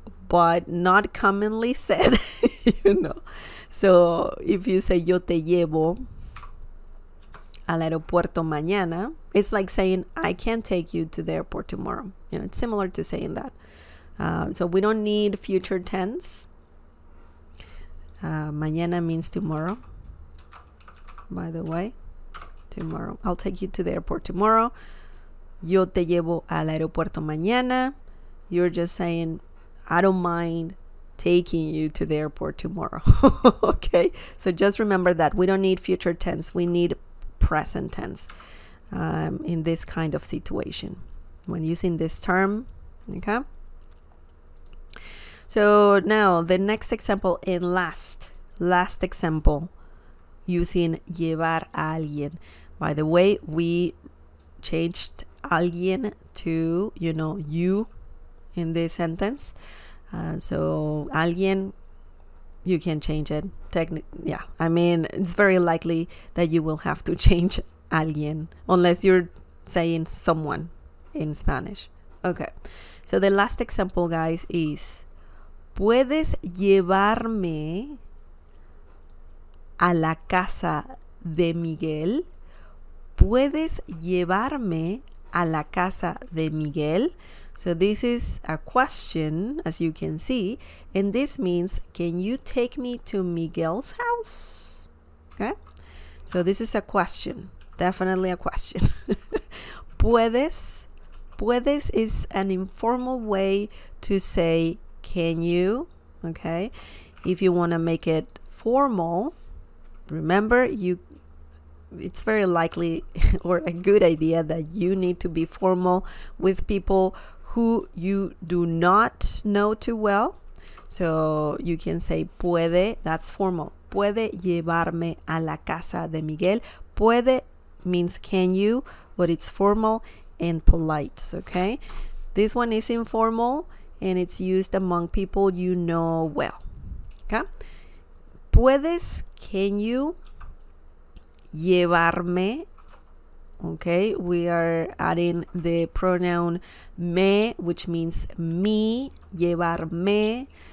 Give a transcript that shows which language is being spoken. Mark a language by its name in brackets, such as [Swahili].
[English] But not commonly said, you know. So if you say [Spanish] yo te llevo al aeropuerto mañana, [English] it's like saying I can't take you to the airport tomorrow. You know, it's similar to saying that. So we don't need future tense. Mañana means tomorrow, by the way. Tomorrow. I'll take you to the airport tomorrow. [Spanish] Yo te llevo al aeropuerto mañana. [English] You're just saying, I don't mind taking you to the airport tomorrow. Okay? So just remember that we don't need future tense. We need present tense in this kind of situation when using this term. Okay? So now the next example and last example using llevar a alguien. By the way, we changed alguien to, you know, you in this sentence. So alguien, you can change it. Yeah, I mean, it's very likely that you will have to change alguien unless you're saying someone in Spanish. Okay, so the last example, guys, is [Spanish] ¿Puedes llevarme a la casa de Miguel? ¿Puedes llevarme a la casa de Miguel? [English] So this is a question, as you can see, and this means, can you take me to Miguel's house? Okay? So this is a question, definitely a question. Puedes is an informal way to say, can you? Okay? If you want to make it formal, remember it's very likely or a good idea that you need to be formal with people who you do not know too well. So you can say, puede, that's formal. [Spanish] Puede llevarme a la casa de Miguel. [English] Puede means can you, but it's formal and polite, okay? This one is informal and it's used among people you know well, okay? Puedes, can you? Llevarme, okay, we are adding the pronoun me, which means me, llevarme.